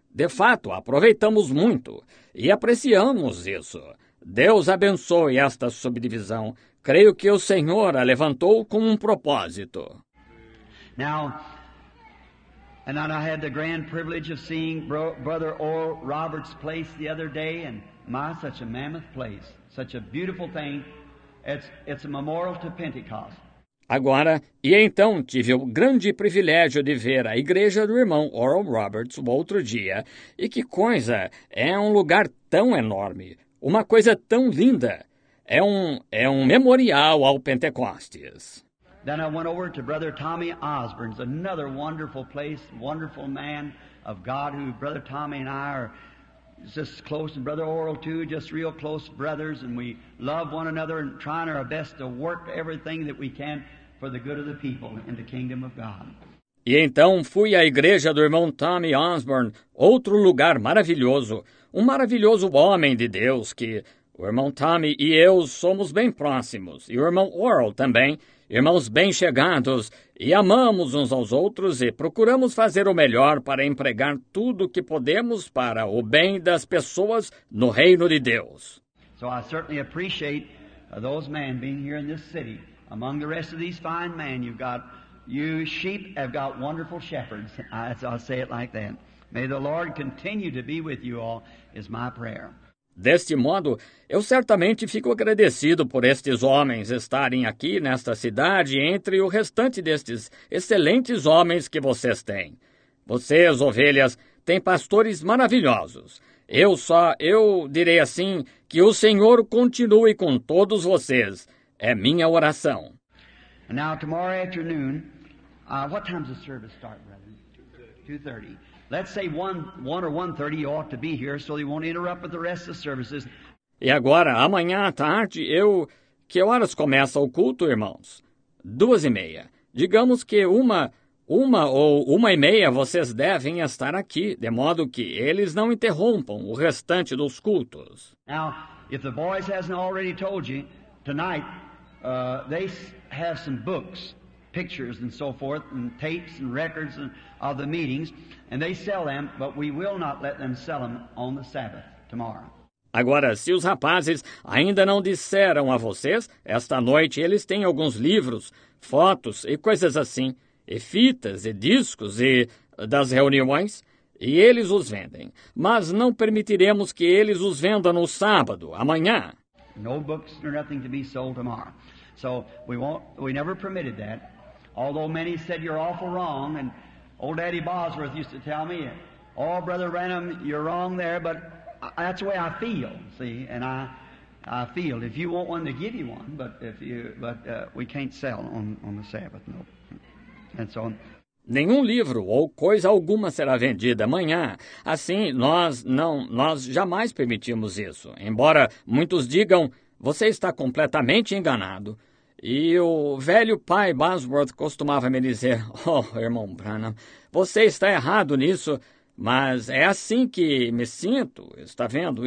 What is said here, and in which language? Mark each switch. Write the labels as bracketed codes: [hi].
[pt] De fato, aproveitamos muito e apreciamos isso. Deus abençoe esta subdivisão. Creio que o Senhor a levantou com um propósito. [en] Now, and then I had the grand privilege of seeing Brother Oral Roberts' place the other day, and my, such a mammoth place, such a beautiful thing. It's a memorial to Pentecost. [pt] Agora, e então, tive o grande privilégio de ver a igreja do irmão Oral Roberts o outro dia, e que coisa, é um lugar tão enorme, uma coisa tão linda. É um memorial ao Pentecostes. [en] Then I went over to Brother Tommy Osborne's, another wonderful place, wonderful man of God, who Brother Tommy and I are just close, and Brother Oral too, just real close brothers, and we love one another and trying our best to work everything that we can for the good of the people and the kingdom of God. [pt] E então fui à igreja do irmão Tommy Osborne, outro lugar maravilhoso, um maravilhoso homem de Deus que o irmão Tommy e eu somos bem próximos, e o irmão Oral também, irmãos bem chegados, e amamos uns aos outros e procuramos fazer o melhor para empregar tudo o que podemos para o bem das pessoas no reino de Deus. [en] So I certainly appreciate those men being here in this city. Among the rest of these fine men, you've got, you sheep have got wonderful shepherds, as I say it like that. May the Lord continue to be with you all, is my prayer. [pt] Deste modo, eu certamente fico agradecido por estes homens estarem aqui nesta cidade entre o restante destes excelentes homens que vocês têm. Vocês, ovelhas, têm pastores maravilhosos. Eu direi assim, que o Senhor continue com todos vocês. É minha oração. [en] Now, tomorrow afternoon, what time does the service start, brother? 2:30. Let's say 1 or 1:30, you ought to be here so they won't interrupt with the rest of the services. [pt] E agora, amanhã à tarde, que horas começa o culto, irmãos? 2:30. Digamos que uma ou uma e meia vocês devem estar aqui, de modo que eles não interrompam o restante dos cultos. [en] Now, if the boys hasn't already told you, tonight, they have some books, pictures and so forth, and tapes and records and of the meetings, and they sell them, but we will not let them sell them on the Sabbath tomorrow. [pt] Agora, se os rapazes ainda não disseram a vocês, esta noite eles têm alguns livros, fotos e coisas assim, e fitas e discos e das reuniões, e eles os vendem. Mas não permitiremos que eles os vendam no sábado, amanhã. [en] No books or nothing to be sold tomorrow. So we never permitted that. Although many said you're awful wrong, and old Daddy Bosworth used to tell me, "Oh, Brother Branham, you're wrong there, but that's the way I feel, see, and I feel. If you want one, to give you one, but we can't sell on the Sabbath, no." And so on. [pt] Nenhum livro ou coisa alguma será vendida amanhã. Assim, nós jamais permitimos isso. Embora muitos digam, você está completamente enganado. E o velho pai Bosworth costumava me dizer, "Oh, irmão Branham, você está errado nisso, mas é assim que me sinto, está vendo?